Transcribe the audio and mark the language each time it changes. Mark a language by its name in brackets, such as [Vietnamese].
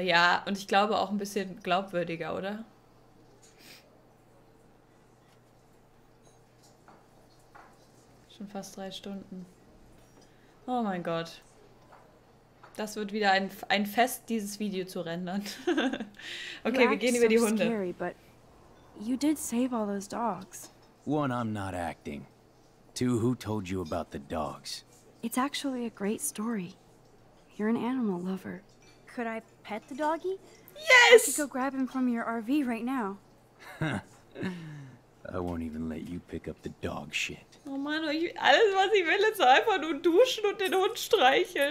[German] Ja, und ich glaube auch ein bisschen glaubwürdiger, oder? Schon fast 3 Stunden. Oh mein Gott. Das wird wieder ein Fest, dieses Video zu rendern. Okay, wir gehen über die Hunde. [English] Scary, but you did save all those dogs. One, I'm not acting. Two, who told you about the dogs? It's actually a great story. You're an animal lover. Could I pet the doggy? Yes! I could go grab him from your RV right now. I won't even let you pick up the dog shit. [German] Oh Mann, alles was ich will, ist einfach nur duschen und den Hund streicheln.